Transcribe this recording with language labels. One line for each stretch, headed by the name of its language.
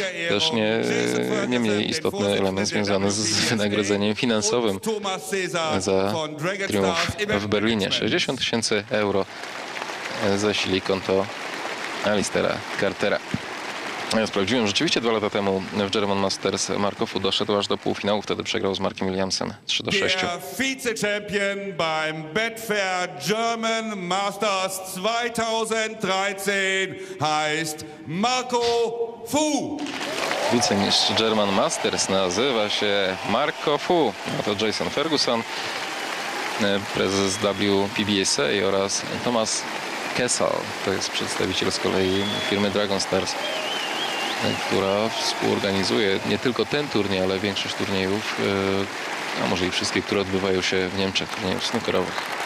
Polish: Też nie mniej istotny element związany z wynagrodzeniem finansowym za triumf w Berlinie. 60 tysięcy euro zasili konto Alistera Cartera. Ja sprawdziłem, rzeczywiście dwa lata temu w German Masters Marko Fu doszedł aż do półfinału, wtedy przegrał z Markiem Williamsem 3-6.
German: Vize-champion beim Betfair German Masters 2013 heißt Marko Fu.
Polish: Wicemistrz German Masters nazywa się Marko Fu. A to Jason Ferguson, prezes WPBSA, oraz Thomas Kessel, to jest przedstawiciel z kolei firmy Dragon Stars, która współorganizuje nie tylko ten turniej, ale większość turniejów, a może i wszystkie, które odbywają się w Niemczech, turniejów snukerowych.